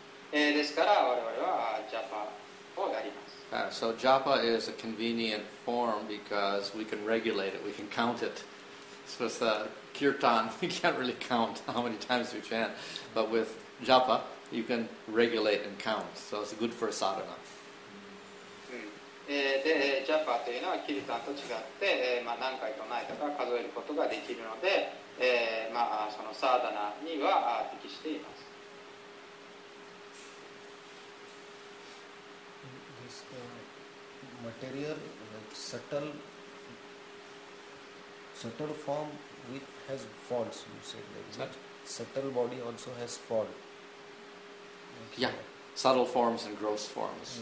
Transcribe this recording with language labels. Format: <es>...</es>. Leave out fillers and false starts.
<ja>ですから我々はジャパをやります。</ja> <en>So japa is a convenient form because we can regulate it, we can count it. So with kirtan, we can't really count how many times we chant, but with japa, you can regulate and count. So it's good for sadhana.</en> <ja>でジャパというのはキリタンと違って、まあ、何回唱えたか数えることができるので、まあ、そのサーダナには適しています。</ja> <en>This material, like subtle, subtle form with has faults, you said, like that. Subtle body also has faults. Yeah. Subtle forms and gross forms.</en>